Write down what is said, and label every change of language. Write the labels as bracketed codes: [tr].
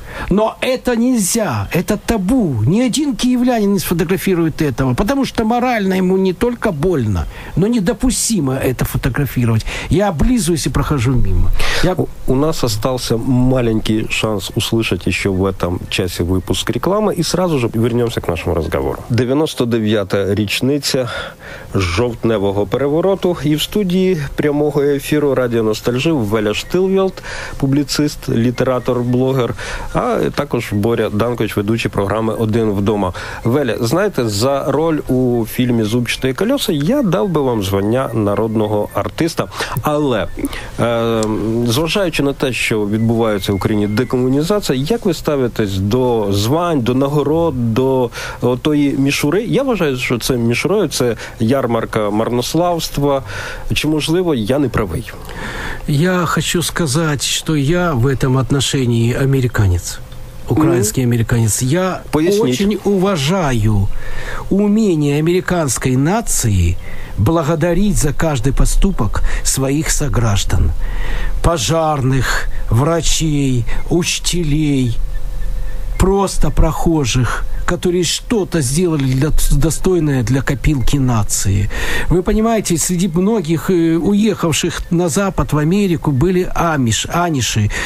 [ru] Но это нельзя, это табу. Ни один киевлянин не сфотографирует этого, потому что морально ему не только больно, но недопустимо это фотографировать. Я облизываюсь и прохожу мимо. У нас остался маленький шанс услышать еще в этом часе выпуск рекламы, и сразу же вернемся к нашему разговору. [uk] 99-та річниця жовтневого перевороту, і в студії прямого ефіру Радіо Ностальжі Веля Штилвєлд, публіцист, літератор, блогер, а також Боря Данкович, ведучий програми «Один вдома». Веля, знаєте, за роль у фільмі «Зубчаті колеса» я дав би вам звання народного артиста, але зважаючи на те, що відбувається в Україні декомунізація, як ви ставитесь до звань, до нагород, до тої мішури? Я вважаю, що це мішурою, це ярмарка марнославства. Чи, можливо, я не правий? Я хочу сказати, що я в цьому відношенні американець, український американець. Я дуже уважаю уміння американської нації [ru] благодарить за каждый поступок своих сограждан. Пожарных, врачей, учителей, просто прохожих, которые что-то сделали для, достойное для копилки нации. Вы понимаете, среди многих уехавших на Запад, в Америку, были аниши.